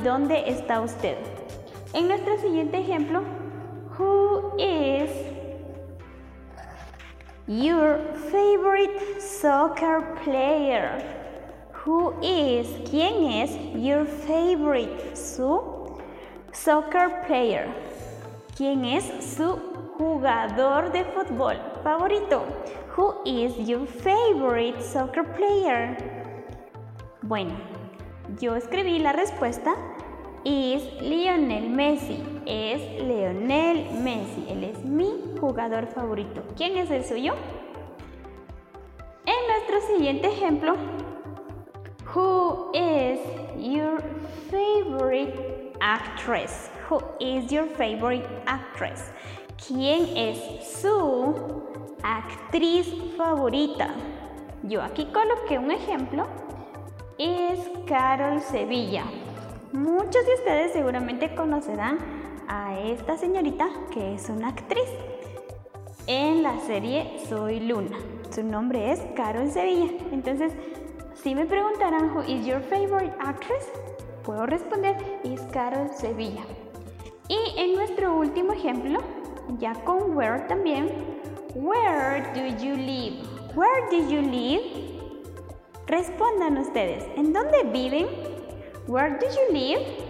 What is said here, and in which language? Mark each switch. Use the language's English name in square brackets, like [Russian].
[Spanish] ¿Dónde está usted? En nuestro siguiente ejemplo, [English] who is your favorite soccer player? Who is, [Spanish] ¿quién es [English] your favorite [Spanish] su [English] soccer player? [Spanish] ¿Quién es su jugador de fútbol favorito? [English] Who is your favorite soccer player? [Spanish] Bueno, yo escribí la respuesta. Is Lionel Messi. Es Lionel Messi. Él es mi jugador favorito. ¿Quién es el suyo? En nuestro siguiente ejemplo, [English] who is your favorite actress? Who is your favorite actress? [Spanish] ¿Quién es su actriz favorita? Yo aquí coloqué un ejemplo. Es Carol Sevilla. Muchos de ustedes seguramente conocerán a esta señorita que es una actriz en la serie Soy Luna. Su nombre es Carol Sevilla. Entonces, si me preguntarán, [English] who is your favorite actress? [Spanish] Puedo responder, is Carol Sevilla. Y en nuestro último ejemplo, ya con where también, [English] where do you live? Where do you live? [Spanish] Respondan ustedes, ¿en dónde viven? [English] Where do you live?